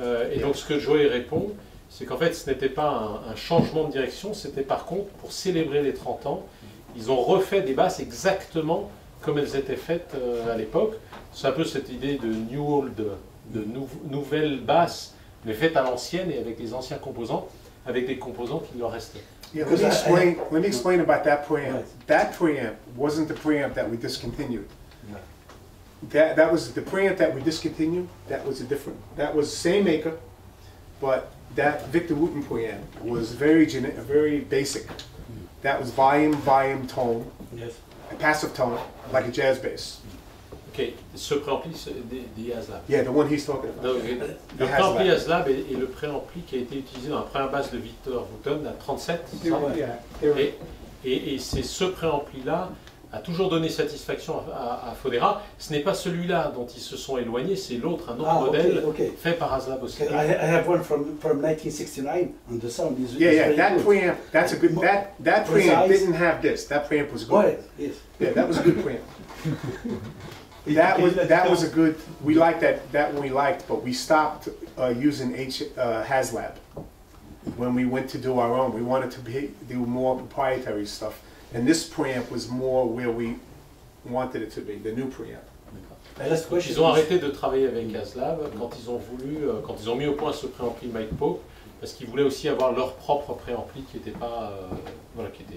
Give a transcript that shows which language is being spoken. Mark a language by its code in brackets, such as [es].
[fr] Et donc ce que Joey répond, c'est qu'en fait, ce n'était pas un changement de direction, c'était par contre pour célébrer les 30 ans. Ils ont refait des basses exactement comme elles étaient faites à l'époque. C'est un peu cette idée de new old, de nouvelles basses, mais faites à l'ancienne et avec les anciens composants, avec des composants qui leur restaient. [en] Yeah, let me explain about that preamp. Right. That preamp wasn't the preamp that we discontinued. No. That was the preamp that we discontinued. That was a different. That was the same maker, but that Victor Wooten preamp was very basic. That was volume, tone. Yes. a passive tone, like a jazz bass. Okay, the pré-ampli, the Haslab. Yeah, the one he's talking about. The pré-ampli Haslab is the pré-ampli that has been used in the first bass of Victor Wooten, at 37. [fr] Et, et c'est ce préampli-là a toujours donné satisfaction à Fodera. Ce n'est pas celui-là dont ils se sont éloignés, c'est l'autre, un autre modèle fait par Haslab aussi. [en] I have one from 1969, and the sound is Yeah, yeah, that preamp, that's a good, that preamp didn't have this, that preamp was good. Oh, yes. Yeah, that was a good preamp. that was a good, we liked that one we liked, but we stopped using Haslab. When we went to do our own, we wanted to do more proprietary stuff, and this preamp was more where we wanted it to be, the new preamp. [fr] Ils ont arrêté de travailler avec Haslab quand ils ont voulu, quand ils ont mis au point ce préampli Mike Pope, parce qu'ils voulaient aussi avoir leur propre préampli qui n'était pas, voilà,